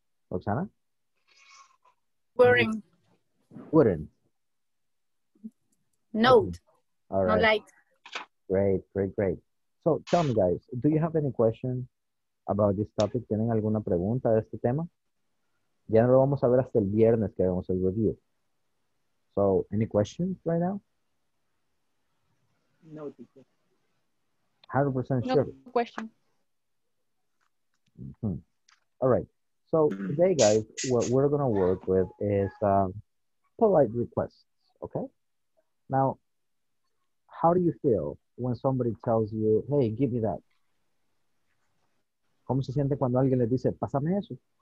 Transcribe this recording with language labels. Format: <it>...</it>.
<en>Roxana? Wouldn't. No. All right. No light. Great, great, great. So tell me, guys, do you have any question about this topic?</en> <es>¿Tienen alguna pregunta de este tema? Ya no lo vamos a ver hasta el viernes que vemos el review.</es> <en>So, any questions right now? No, teacher. 100% sure. No question. Mm-hmm. All right. So today, guys, what we're going to work with is polite requests, okay? Now, how do you feel when somebody tells you, hey, give me that?</en> <es>¿Cómo se siente cuando alguien le dice, pásame eso?</es>